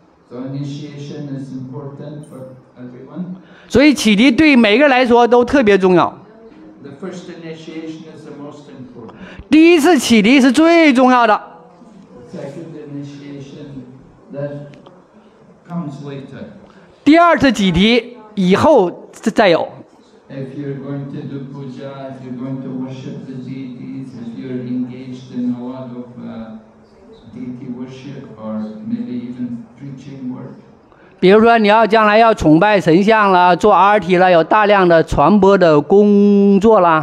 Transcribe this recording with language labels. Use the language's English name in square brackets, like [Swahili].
[English] So initiation is important for everyone. [Chinese] 所以启迪对每个人来说都特别重要。 [English] The first initiation is the most important. [Chinese] 第一次启迪是最重要的。 [English] Second initiation that comes later. [Chinese] 第二次启迪以后再有。 [English] If you're going to do puja, if you're going to worship the deities, if you're engaged in a lot of deity worship or maybe even preaching work. [Chinese] 比如说你要将来要崇拜神像了，做RT了，有大量的传播的工作